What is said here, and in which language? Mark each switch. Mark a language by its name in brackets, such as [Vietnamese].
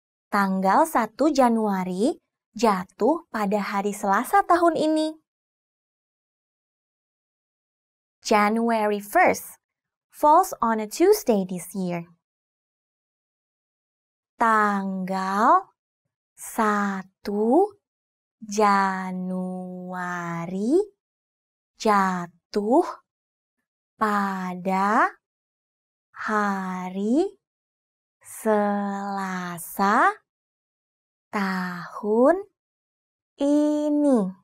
[Indonesian] Tanggal 1 Januari jatuh pada hari Selasa tahun ini. [English] January 1st falls on a Tuesday this year. [Indonesian] Tanggal 1 Januari jatuh pada hari Selasa tahun ini.